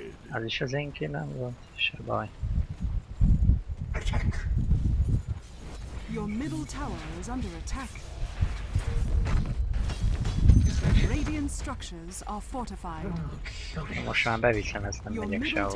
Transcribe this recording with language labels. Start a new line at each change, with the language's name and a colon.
Hungarian: Az is az én kínám volt, se baj.
English: Your middle tower is under attack. Radiant structures are fortified.
Hungarian: Most már beviszem ezt, nem megyek sehova.